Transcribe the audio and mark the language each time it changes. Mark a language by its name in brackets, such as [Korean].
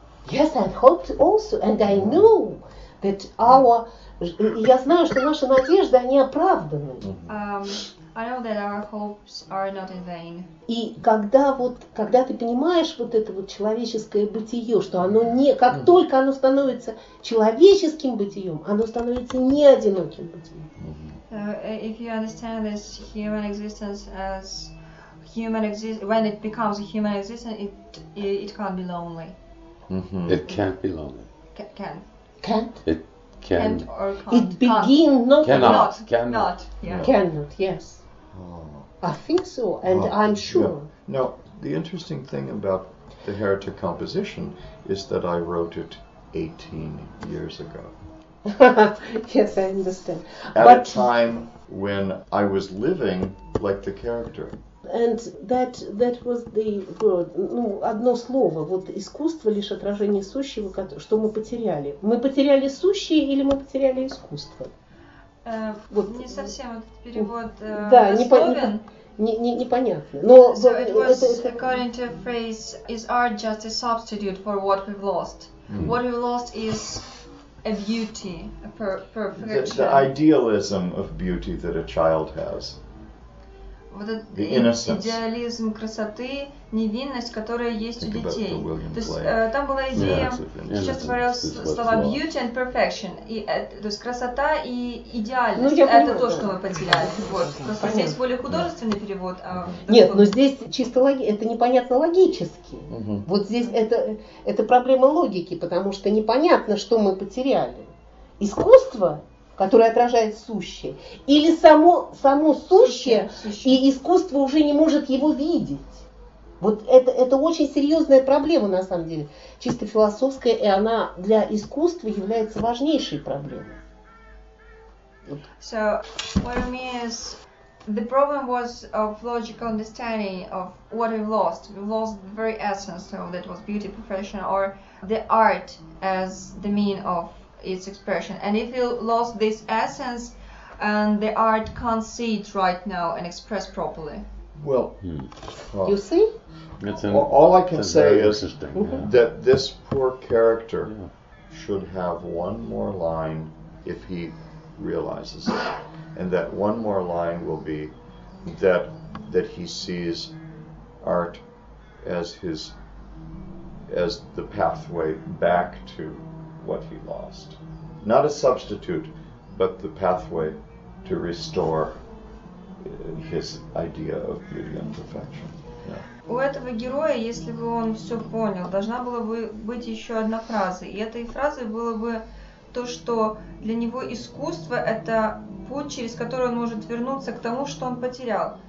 [English] Yes, I hope also, and I know that our... [Russian] Я знаю, что наши надежды, они оправданы. [English] I know that our hopes are not in vain. [Russian] И когда вот, когда ты понимаешь вот это вот человеческое бытие, что оно не... Как только оно становится человеческим бытием, оно становится не одиноким бытием. [English] If you understand this human existence as human existence, when it becomes a human existence, it can't be lonely. Mm-hmm. It can't be lonely. Can't. It can. Can't or can't. It begin not. Cannot. Cannot. Not, yeah. No. Cannot. Yes. Oh. I think so, and I'm sure. Yeah. Now, the interesting thing about the Heretic composition is that I wrote it 18 years ago. Yes, I understand. At a time when I was living like the character. And that was the word. [Russian] Ну, одно слово. Вот искусство лишь отражение сущего, что мы потеряли. Мы потеряли сущее или мы потеряли искусство? Вот. Не совсем этот перевод дословен. Непонятно. [English] So it was according to a phrase, is art just a substitute for what we've lost? Mm-hmm. What we've lost is a beauty, a perfection. The idealism of beauty that a child has. The innocence. [Russian] Идеализм красоты, невинность, которая есть [English] Think [Russian] у детей. То есть там была идея, сейчас говорил слова [English] beauty and perfection. [Russian] То есть красота и идеальность. Ну, это то, что мы потеряли. Вот. Просто здесь более художественный перевод. Нет, но здесь чисто это непонятно логически. Угу. Вот здесь это проблема логики, потому что непонятно, что мы потеряли. Искусство, которое отражает сущее, или само сущее, и искусство уже не может его видеть. Вот это очень серьезная проблема, на самом деле, чисто философская, и она для искусства является важнейшей проблемой. [English] So, what I mean is, the problem was of logical understanding of what we've lost. We've lost the very essence of that was beauty, perfection, or the art as the mean of its expression. And if you lost this essence, and the art can't see it right now and express properly. Well, you see? All I can say is that this poor character should have one more line if he realizes it. And that one more line will be that he sees art as the pathway back to what he lost. Not a substitute, but the pathway to restore his idea of beauty and perfection. Yeah. [Russian] У этого героя, если бы он все понял, должна была бы быть еще одна фраза. И этой фразой было бы то, что для него искусство – это путь, через который он может вернуться к тому, что он потерял.